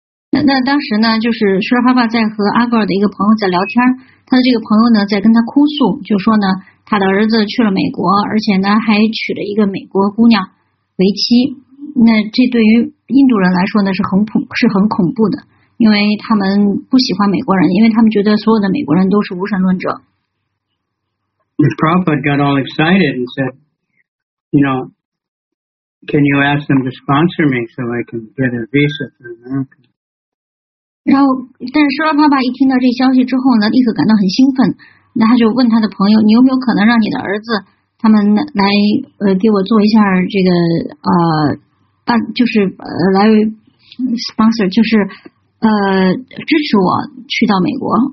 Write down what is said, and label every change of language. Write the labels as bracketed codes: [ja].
[zh] 那当时呢，就是舒拉帕帕在和阿格尔的一个朋友在聊天，他的这个朋友呢在跟他哭诉，就说呢他的儿子去了美国，而且呢还娶了一个美国姑娘为妻。那这对于印度人来说呢是很恐怖的，因为他们不喜欢美国人，因为他们觉得所有的美国人都是无神论者。 [en] The prophet got all excited and said, "You know, can you ask them to sponsor me so I can get a visa for America?" [zh] 然后，但是舒拉帕帕一听到这消息之后呢，立刻感到很兴奋。那他就问他的朋友：“你有没有可能让你的儿子他们来给我做一下这个就是来 sponsor， 就是支持我去到美国